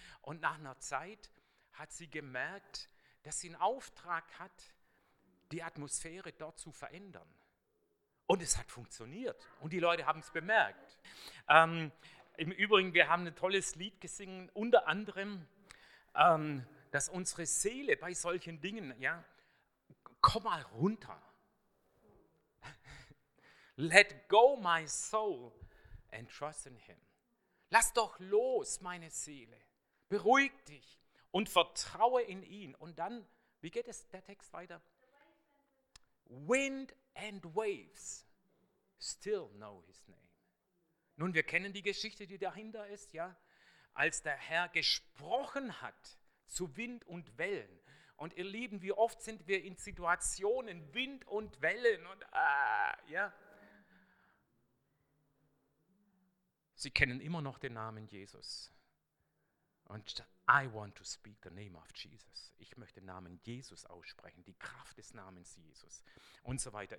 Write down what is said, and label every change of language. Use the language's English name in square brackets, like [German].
[German] Und nach einer Zeit hat sie gemerkt, dass sie einen Auftrag hat, die Atmosphäre dort zu verändern. Und es hat funktioniert. Und die Leute haben es bemerkt. Im Übrigen, wir haben ein tolles Lied gesungen, unter anderem, dass unsere Seele bei solchen Dingen, ja, komm mal runter. [English] Let go my soul and trust in him. [German] Lass doch los, meine Seele. Beruhig dich. Und vertraue in ihn. Und dann, wie geht es der Text weiter? [English] Wind and waves still know his name. [German] Nun, wir kennen die Geschichte, die dahinter ist, ja? Als der Herr gesprochen hat zu Wind und Wellen. Und ihr Lieben, wie oft sind wir in Situationen, Wind und Wellen und ja? Sie kennen immer noch den Namen Jesus. [English] Und I want to speak the name of Jesus. [German] Ich möchte den Namen Jesus aussprechen, die Kraft des Namens Jesus und so weiter.